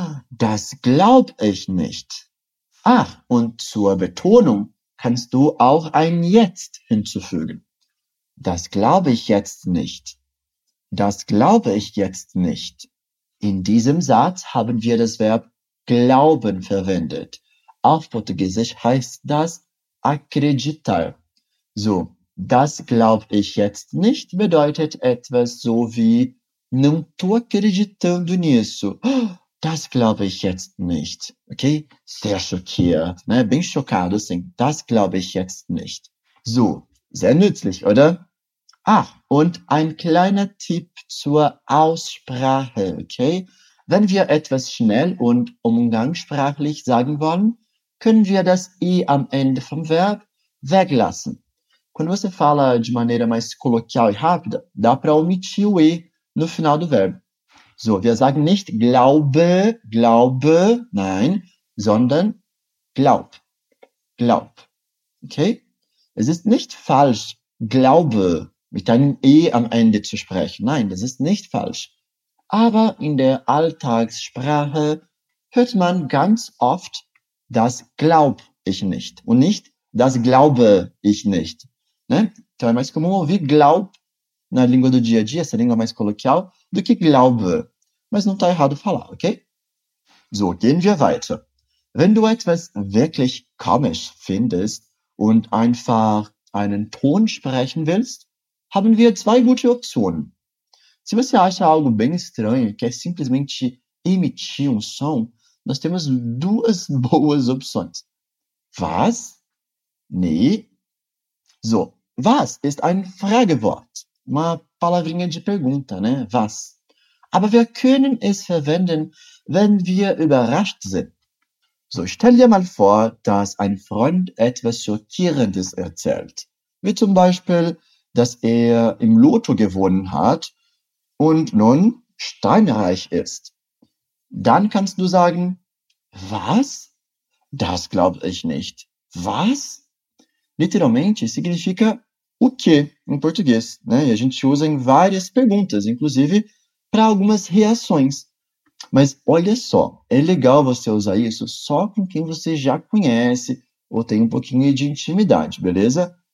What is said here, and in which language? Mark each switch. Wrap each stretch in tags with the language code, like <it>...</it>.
<de>Das glaub ich nicht. Ach, und zur Betonung kannst du auch ein Jetzt hinzufügen. Das glaube ich jetzt nicht. Das glaube ich jetzt nicht. In diesem Satz haben wir das Verb glauben verwendet. Auf Portugiesisch heißt das acreditar. So, das glaub ich jetzt nicht bedeutet etwas so wie</de> <pt>Não tô acreditando nisso.</pt> <de>Das glaube ich jetzt nicht. Okay? Sehr schockiert. Ne?</de> <pt>Bem chocado, assim.</pt> <de>Das glaube ich jetzt nicht. So, sehr nützlich, oder? Ah, und ein kleiner Tipp zur Aussprache, okay? Wenn wir etwas schnell und umgangssprachlich sagen wollen, können wir das I am Ende vom Verb weglassen.</de> <pt>Quando você fala de maneira mais coloquial e rápida, dá para omitir o E no final do verbo.</pt> <de>So, wir sagen nicht glaube, glaube, nein, sondern glaub, glaub. Okay? Es ist nicht falsch, glaube mit einem E am Ende zu sprechen. Nein, das ist nicht falsch. Aber in der Alltagssprache hört man ganz oft das glaub ich nicht und nicht das glaube ich nicht. Ne?</de> <pt>Então é mais comum ouvir glaub na língua do dia a dia, essa língua mais coloquial, do que glaube. Mas não está errado falar, ok?</pt> <de>So, gehen wir weiter. Wenn du etwas wirklich komisch findest und einfach einen Ton sprechen willst, haben wir zwei gute Optionen.</de> <pt>Se você acha algo bem estranho, quer simplesmente emitir som, nós temos duas boas opções.</pt> <de>Was? Nee. So, was ist ein Fragewort?</de> <pt>Uma palavrinha de pergunta, né?</pt> <de>Was? Aber wir können es verwenden, wenn wir überrascht sind. So, stell dir mal vor, dass ein Freund etwas Schockierendes erzählt. Wie zum Beispiel, dass er im Lotto gewonnen hat und nun steinreich ist. Dann kannst du sagen, was? Das glaube ich nicht. Was?</de> <pt>Literalmente significa o que em português, né? E a gente usa em várias perguntas, inclusive para algumas reações. Mas olha só, é legal você usar isso só com quem você já conhece ou tem um pouquinho de intimidade, beleza?</pt>